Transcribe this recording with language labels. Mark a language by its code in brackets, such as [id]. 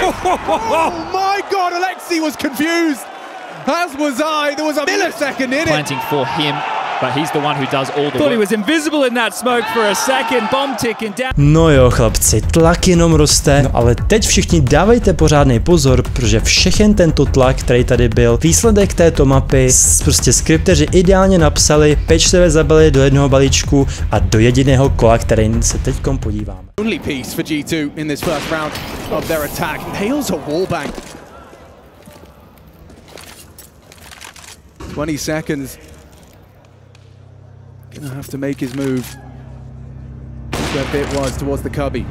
[en] My God, Alexi was confused, as was I. There was a millisecond in it. Planting for him, but he's the one who does all the work. Thought he was invisible in that smoke for a second. Bomb ticking down. [cs] No jo, chlapci, tlak jenom roste. No ale teď všichni dávejte pořádný pozor, protože všechen tento tlak, který tady byl, výsledek této mapy, prostě skripteři ideálně napsali, pečlivě zabili do jednoho balíčku a do jediného kola, který se teďkom podívám. [en] Only piece for G2 in this first round of their attack. Nails a wallbang. 20 seconds. Gonna have to make his move. Where Bit was towards the cubby.